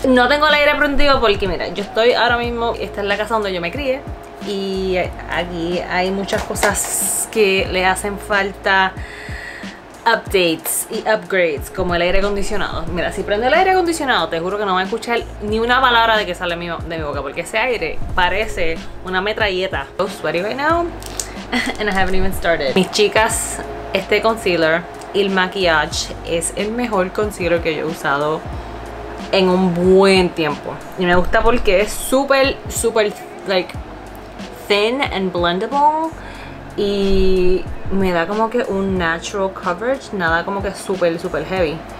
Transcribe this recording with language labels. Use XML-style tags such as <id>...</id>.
<es>No tengo el aire prendido porque mira, yo estoy ahora mismo, esta es la casa donde yo me crié y aquí hay muchas cosas que le hacen falta updates y upgrades, como el aire acondicionado. Mira, si prendo el aire acondicionado, te juro que no voy a escuchar ni una palabra de que sale de mi boca, porque ese aire parece una metralleta.</es> <en>I'm sweating right now and I haven't even started.</en> <es>Mis chicas, este concealer, el maquillaje, es el mejor concealer que yo he usado en un buen tiempo. Y me gusta porque es súper, súper, like, thin and blendable. Y me da como que un natural coverage, nada como que súper, súper heavy.</es>